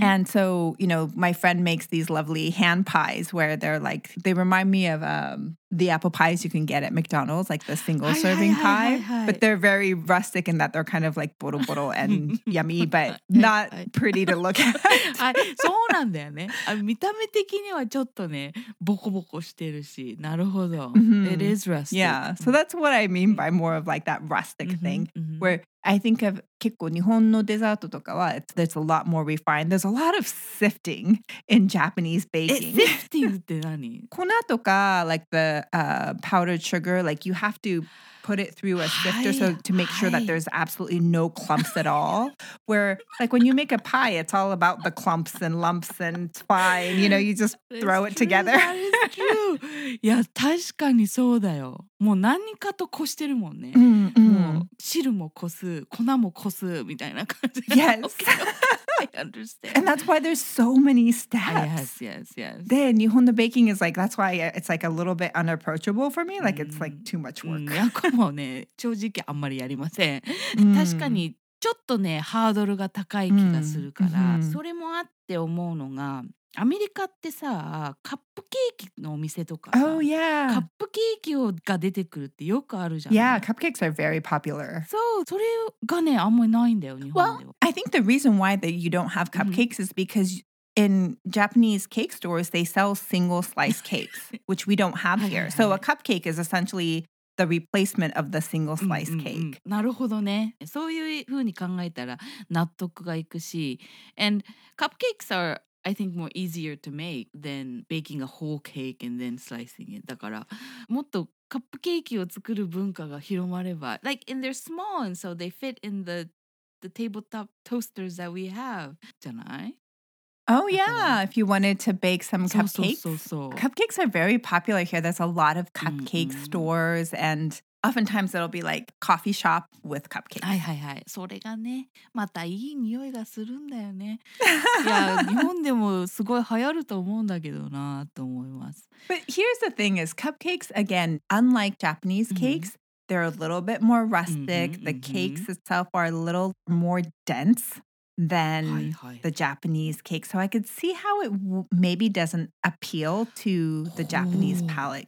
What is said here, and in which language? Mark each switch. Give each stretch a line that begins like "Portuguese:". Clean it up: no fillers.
English: And so, you know, my friend makes these lovely hand pies where they're like, they remind me of the apple pies you can get at McDonald's, like the single serving pie. But they're very rustic in that they're kind of like
Japanese: boro boro
English: and yummy, but not pretty to look at.
Japanese: そうなんだよね。見た目的にはちょっとね、ボコボコしてるし、なるほど。
English: It is rustic. Yeah, so that's what I mean by more of like that rustic thing, where... I think of
Japanese: 結構日本のデザートとかは
English: it's a lot more refined. There's a lot of sifting in Japanese baking.
Japanese: Sifting って何? 粉とか
English: like the powdered sugar, like you have to put it through a sifter so to make sure that there's absolutely no clumps at all. Where like when you make a pie, it's all about the clumps and lumps and fine. You know, you just throw it together. That is true.
Japanese: いや、確かにそうだよ。もう何かとこしてるもんね。汁もこす、粉もこすみたいな感じ。
English: Yes. I understand. And that's why there's so many steps. Yes, yes, yes.
Japanese: で、日本の
English: baking is like, that's why it's like a little bit unapproachable for me. Like, it's like too much work.
Japanese: やこもね、正直あんまりやりません。確かにちょっとね、ハードルが高い気がするから、それもあって思うのが、アメリカってさ、カップケーキのお店とかさ、
English: oh, yeah.
Japanese: カップケーキをが出てくるってよくあるじゃん。
English: Yeah, cupcakes are very popular.
Japanese: そう、それがね、あんまりないんだよ、日本では。
English: Well, I think the reason why that you don't have cupcakes is because in Japanese cake stores, they sell single slice cakes, which we don't have here. So a cupcake is essentially... the replacement of the single slice cake.
Japanese: なるほどね。そういうふうに考えたら納得がいくし。
English: And cupcakes are, I think, more easier to make than baking a whole cake and then slicing it.
Japanese: だからもっとカップケーキを作る文化が広まれば。
English: Like, and they're small, and so they fit in the tabletop toasters that we have.
Japanese: じゃない?
English: Oh yeah, if you wanted to bake some cupcakes. Cupcakes are very popular here. There's a lot of cupcake stores and oftentimes it'll be like coffee shop with cupcakes.
Japanese: はいはいはい。それがね、またいい匂いがするんだよね。いや、日本でもすごい流行ると思うんだけどなと思います。
English: But here's the thing is cupcakes, again, unlike Japanese cakes, they're a little bit more rustic. The cakes itself are a little more dense. Than the Japanese cake. So I could see how it maybe doesn't appeal to the Japanese palate.